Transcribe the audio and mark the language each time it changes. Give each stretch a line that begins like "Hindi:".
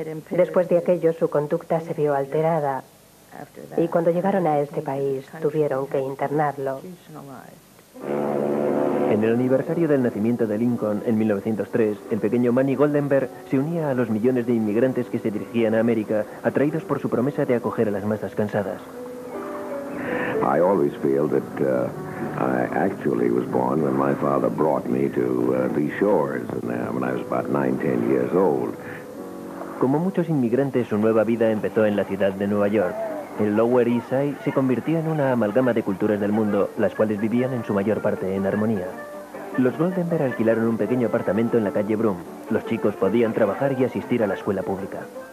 Spanish: Después de aquello, su conducta se vio alterada y cuando llegaron a este país tuvieron que internarlo. En el aniversario del nacimiento de Lincoln, en 1903, el pequeño Manny Goldenberg se unía a los millones de inmigrantes que se dirigían a América, atraídos por su promesa de acoger a las masas cansadas.
English: I always feel that I actually was born when my father brought me to these shores when I was about 9-10 years old.
Spanish: Como muchos inmigrantes, su nueva vida empezó en la ciudad de Nueva York. El Lower East Side se convirtió en una amalgama de culturas del mundo, las cuales vivían en su mayor parte en armonía. Los Goldenberg alquilaron un pequeño apartamento en la calle Broome. Los chicos podían trabajar y asistir a la escuela pública.